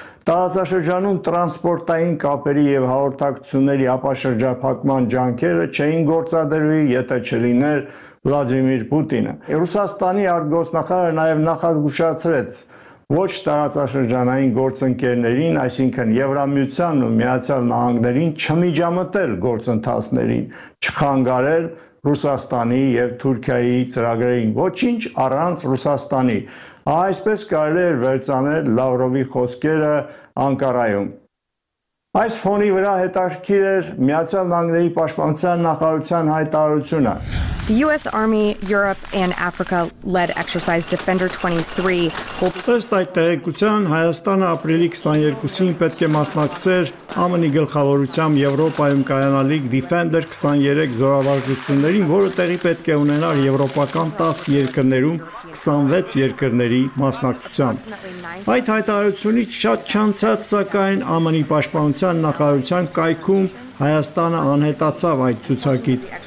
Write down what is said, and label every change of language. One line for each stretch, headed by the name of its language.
Armenian: Տարածաշրջանում տրանսպորտային կապերի եւ հաղորդակցությունների ապաշրջափակման ջանքերը չէին գործադրվի, եթե չլիներ Վլադիմիր Պուտինը։ Ռուսաստանի արտգործնախարարը նաեւ նախազգուշացրեց ոչ տարածաշրջանային գործընկերներին, այսինքն Եվրամիության ու Միացյալ Նահանգներին չմիջամտել գործընթացներին, չխանգարել Ռուսաստանի եւ Թուրքիայի ծրագրերին ոչինչ առանց Ռուսաստանի։ Այսպես կարելի է վերցանել Լավրովի խոսքերը Անկարայում։ Այս ֆոնի վրա հետաքրքիր էր Միացյալ Նահանգների Պաշտպանության նախարարության հայտարարությունը։
English: The US Army, Europe and Africa led exercise Defender 23 will
Armenian: Ըստ այդ տեղեկության Հայաստանը ապրիլի 22-ին պետք է մասնակցեր ԱՄՆ-ի գլխավորությամբ Եվրոպայում կայանալիք Defender 23 զորավարժություններին, որը տեղի պետք է ունենար եվրոպական 10 երկրներում 26 երկրների մասնակցությամբ։ Այդ հայտարարությունից շատ չանցած, սակայն ԱՄՆ-ի պաշտպանության նախարարության կայքում Հայաստանը անհետացավ այդ ցուցակից։